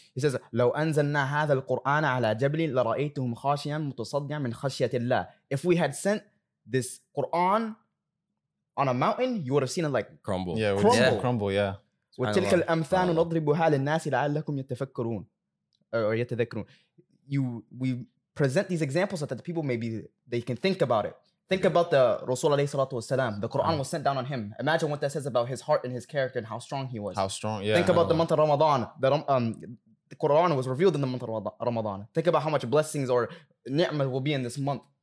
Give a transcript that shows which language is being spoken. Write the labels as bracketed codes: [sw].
[ar] He says, لو أنزلنا هذا القرآن على جبل لرأيتهم خاشيا متصدعا من خشية الله. [en] If we had sent this Quran on a mountain, you would have seen it like crumble. Yeah, crumble. Yeah. Crumble, yeah. [ar] وتلك الأمثال نضربها للناس لعلهم يتفكرون or يتذكرون. [en] We present these examples so that the people maybe they can think about it. Think about the Rasul alayhi salatu wasalam. The Quran was sent down on him. Imagine what that says about his heart and his character and how strong he was. How strong, yeah. Think about the month of Ramadan. The Quran was revealed in the month of Ramadan. Think about how much blessings or ni'mah will be in this month.